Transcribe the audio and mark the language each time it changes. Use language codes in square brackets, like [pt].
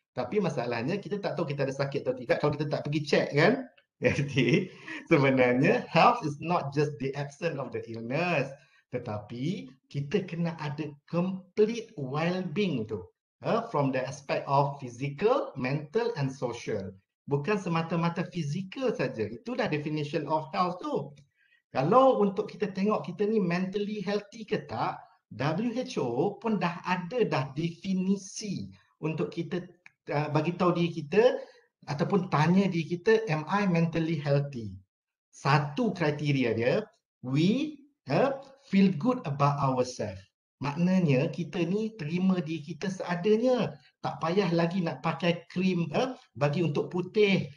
[ms] Tapi masalahnya kita tak tahu kita ada sakit atau tidak kalau kita tak pergi check kan? Jadi sebenarnya [en] health is not just the absence of the illness. [ms] Tetapi kita kena ada [en] complete well-being [ms] tu. [en] From the aspect of physical, mental and social. [ms] Bukan semata-mata physical saja. Itulah [en] definition of health [ms] tu. Kalau untuk kita tengok kita ni [en] mentally healthy [ms] ke tak, WHO pun dah ada dah definisi untuk kita bagi tahu diri kita ataupun tanya diri kita, [en] am I mentally healthy? [ms] Satu kriteria dia, [en] we feel good about ourselves. [ms] Maknanya kita ni terima diri kita seadanya. Tak payah lagi nak pakai krim bagi untuk putih.